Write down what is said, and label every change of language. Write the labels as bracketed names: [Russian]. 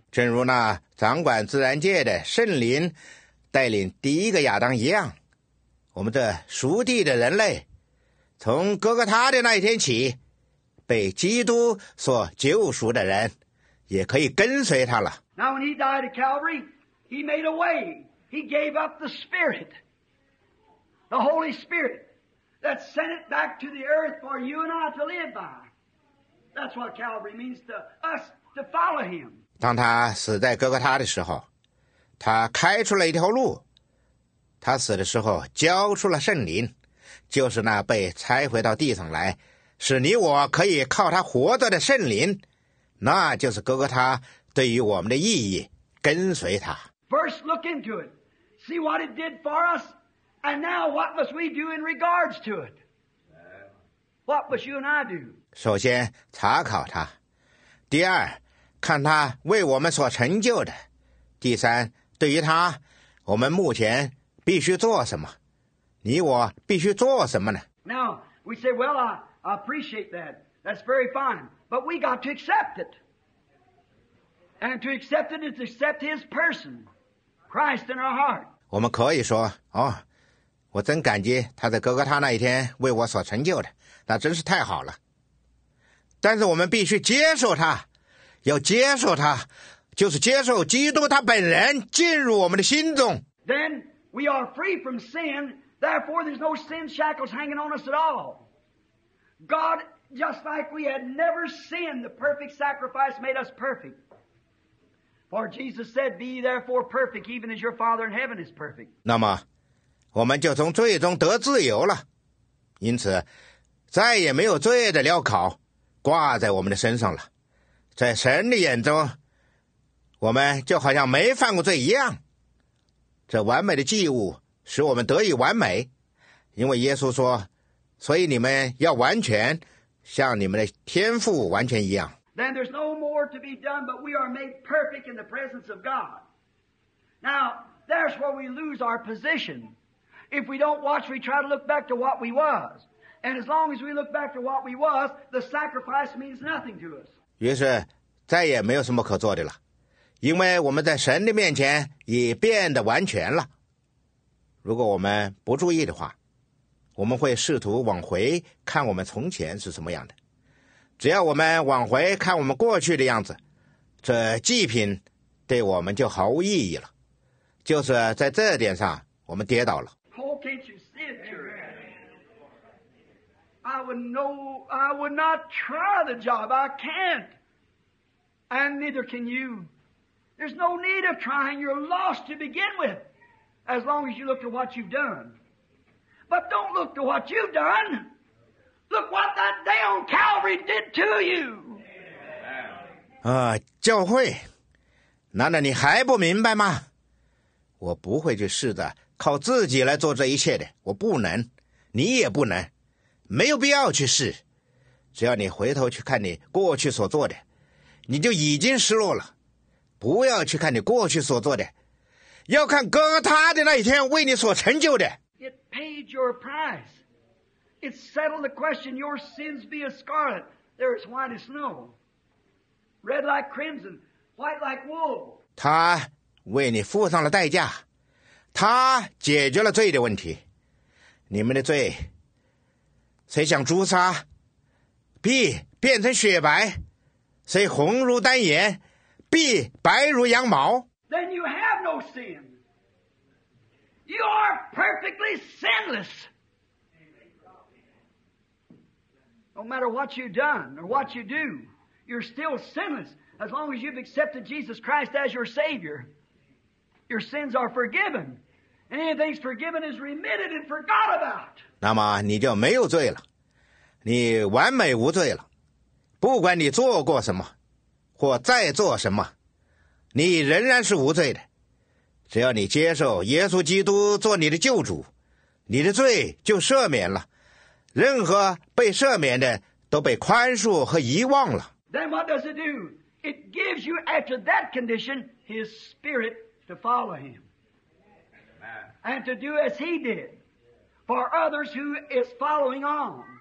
[Chinese] 正如那掌管自然界的圣灵带领第一个亚当一样。我们这属地的人类，从哥哥他的那一天起，被基督所救赎的人，也可以跟随他了。 [English] Now when he died at Calvary, he made a way. He gave up the Spirit, the Holy Spirit, that sent it back to the earth for you and I to live by. That's what Calvary means to us, to follow him. [Chinese] 当他死在哥哥他的时候，他开出了一条路。他死的时候交出了圣灵，就是那被拆回到地上来，使你我可以靠他活着的圣灵，那就是哥哥他对于我们的意义，跟随他。 [English] First, look into it, see what it did for us, and now what must we do in regards to it? What must you and I do? [Chinese] 首先查考他，第二看他为我们所成就的，第三对于他，我们目前。必须做什么？你我必须做什么呢 [English] ？Now we say, well, I appreciate that. That's very fine. But we got to accept it. And to accept it is accept His person, Christ in our heart. [Chinese] 我们可以说，哦，我真感激他在哥哥他那一天为我所成就的，那真是太好了。但是我们必须接受他，要接受他，就是接受基督他本人进入我们的心中。 [English] Then. We are free from sin, therefore there's no sin shackles hanging on us at all. God, just like we had never sinned, the perfect sacrifice made us perfect. For Jesus said, be ye therefore perfect, even as your Father in heaven is perfect. [Chinese] 那么，我们就从罪中得自由了，因此，再也没有罪的镣铐挂在我们的身上了。在神的眼中，我们就好像没犯过罪一样。这完美的祭物使我们得以完美，因为耶稣说，所以你们要完全，像你们的天父完全一样。 [English] Then there's no more to be done, but we are made perfect in the presence of God. Now, that's where we lose our position. If we don't watch, we try to look back to what we was. And as long as we look back to what we was, the sacrifice means nothing to us. [Chinese] 于是，再也没有什么可做的了，因为我们在神的面前已变得完全了。如果我们不注意的话，我们会试图往回看我们从前是什么样的。只要我们往回看我们过去的样子，这祭品对我们就毫无意义了。就是在这点上，我们跌倒了。 [English] Paul, can't you see it, Jerry? I would not try the job. I can't. And neither can you. There's no need of trying. You're lost to begin with, as long as you look to what you've done. But don't look to what you've done. Look what that day on Calvary did to you. [Chinese] 教会，难道你还不明白吗？我不会去试着靠自己来做这一切的，我不能，你也不能，没有必要去试。只要你回头去看你过去所做的，你就已经失落了。不要去看你过去所做的，要看哥他的那一天为你所成就的。 [English] It paid your price. It settled the question, your sins be as scarlet, they're as white as snow. Red like crimson, white like wool. [Chinese] 他为你付上了代价，他解决了罪的问题。你们的罪，虽像朱砂，必变成雪白，虽红如丹颜，必白如羊毛。 [English] Then you have no sin. You are perfectly sinless. No matter what you've done or what you do, you're still sinless as long as you've accepted Jesus Christ as your Savior. Your sins are forgiven. And anything's forgiven is remitted and forgot about. [Chinese] 那么你就没有罪了。你完美无罪了。不管你做过什么或再做什么，你仍然是无罪的。只要你接受耶稣基督做你的救主，你的罪就赦免了。任何被赦免的都被宽恕和遗忘了。 [English] Then what does it do? It gives you, after that condition, His Spirit to follow Him. And to do as He did for others who is following on.